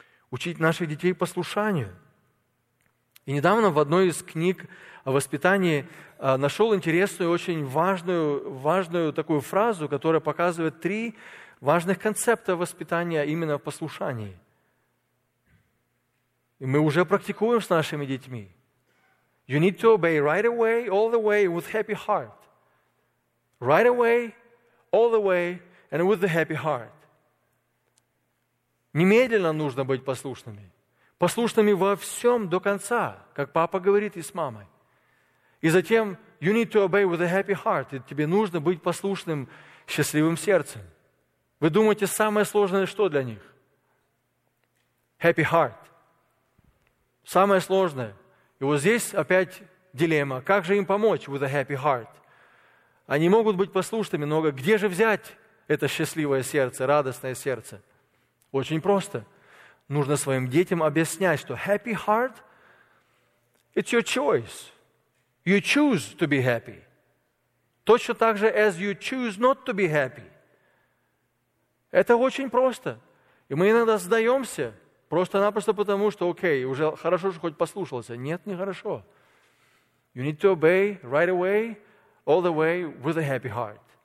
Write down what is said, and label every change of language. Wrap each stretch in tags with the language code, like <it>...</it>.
<ru>Учить наших детей послушанию. И недавно в одной из книг о воспитании нашел интересную, очень важную такую фразу, которая показывает 3 важных концепта воспитания именно в послушании. И мы уже практикуем с нашими детьми.</ru> <en>You need to obey right away, all the way, with happy heart. Right away, all the way, and with the happy heart.</en> <ru>Немедленно нужно быть послушными. Послушными во всем до конца, как папа говорит и с мамой. И затем,</ru> <en>you need to obey with a happy heart.</en> <ru>И тебе нужно быть послушным счастливым сердцем. Вы думаете, самое сложное что для них?</ru> <en>Happy heart.</en> <ru>Самое сложное. И вот здесь опять дилемма. Как же им помочь</ru> <en>with a happy heart?</en> <ru>Они могут быть послушными, но где же взять это счастливое сердце, радостное сердце? Очень просто. Нужно своим детям объяснять, что</ru> <en>happy heart – it's your choice. You choose to be happy.</en> <ru>Точно так же,</ru> <en>as you choose not to be happy.</en> <ru>Это очень просто. И мы иногда сдаемся. Просто-напросто потому, что окей, уже хорошо, что хоть послушался. Нет, не хорошо.</ru> <en>You need to obey right away, all the way, with a happy heart.</en>